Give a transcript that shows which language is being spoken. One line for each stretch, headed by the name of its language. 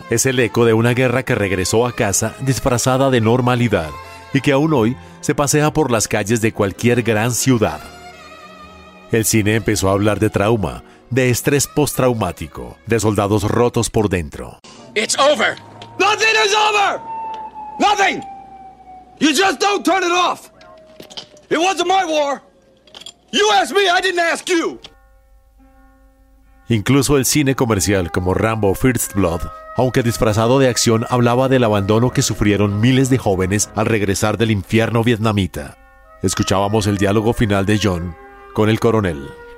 Spanish: Es el eco de una guerra que regresó a casa disfrazada de normalidad y que aún hoy se pasea por las calles de cualquier gran ciudad. El cine empezó a hablar de trauma, de estrés postraumático, de soldados rotos por dentro.
English: It's over. Nothing is over. Nothing. You just don't turn it off. It wasn't my war. You asked me, I didn't ask you.
Spanish: Incluso el cine comercial como Rambo First Blood, aunque disfrazado de acción, hablaba del abandono que sufrieron miles de jóvenes al regresar del infierno vietnamita. Escuchábamos el diálogo final de John con el coronel.